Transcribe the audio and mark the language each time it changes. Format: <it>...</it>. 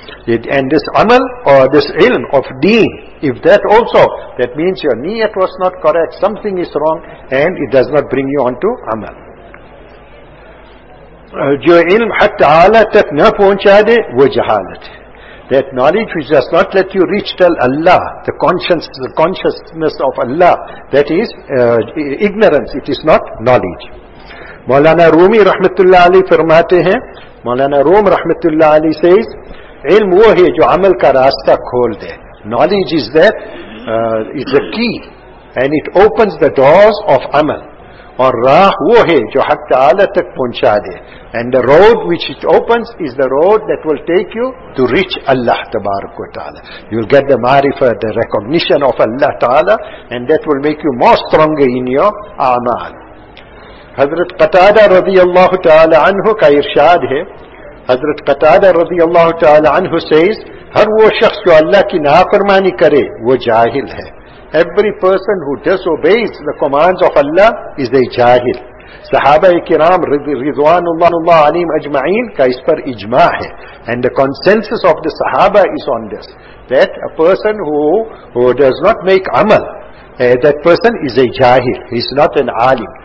<en>And this amal, or this ilm of deen, if that also, that means your niyat was not correct, something is wrong, and it does not bring you on to amal.</en> <ur>جو علم حتی اعلیٰ تک نہ پہنچا دے وہ جہالت ہے.</ur> <en>That knowledge which does not let you reach till Allah, the consciousness of Allah, that is ignorance, it is not knowledge.</en> <ur>مولانا رومی رحمت اللہ علی فرماتے ہیں, مولانا روم رحمت اللہ علی says, علم وہ ہے جو عمل کا راستہ کھول دے.</ur> <en>Knowledge is that is the key and it opens the doors of عمل.</en> <ur>اور راہ وہ ہے جو حق تعالی تک پہنچا دے.</ur> <en>And the road which it opens is the road that will take you to reach Allah تبارک و تعالی. You will get the معرفہ, the recognition of Allah تعالی, and that will make you more stronger in your اعمال.</en> <ur>حضرت قتادہ رضی اللہ تعالی عنہ کا ارشاد ہے. حضرت قتادہ رضی اللہ تعالی عنہ says, ہر وہ شخص جو اللہ کی نافرمانی کرے وہ جاہل ہے.</ur> <en>Every person who disobeys the commands of Allah is a jahil.</en> <ur>Sahaba ikram Ridwanullah Alim Ajma'in ka is par ijma' hai.</ur> <en>And the consensus of the Sahaba is on this, that a person who does not make amal, that person is a jahil, he is not an alim.</en>